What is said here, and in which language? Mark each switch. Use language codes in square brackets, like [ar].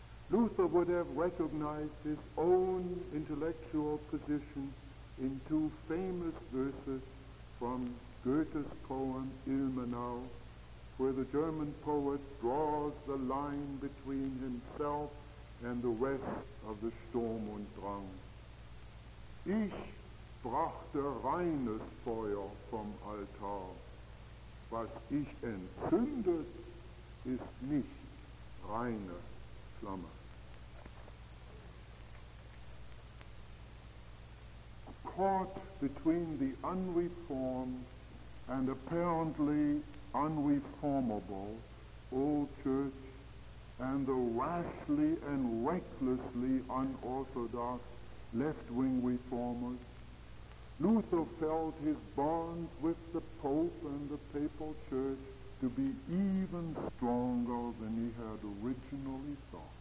[en] Luther would have recognized his own intellectual position in two famous verses from Goethe's poem Ilmenau, where the German poet draws the line between himself and the rest of the Sturm und Drang. [de] Ich brachte reines Feuer vom Altar, was ich entzündet, ist nicht reine Flamme. [en] Caught between the unreformed and apparently unreformable old church and the rashly and recklessly unorthodox left-wing reformers, Luther felt his bonds with the Pope and the papal church to be even stronger than he had originally thought.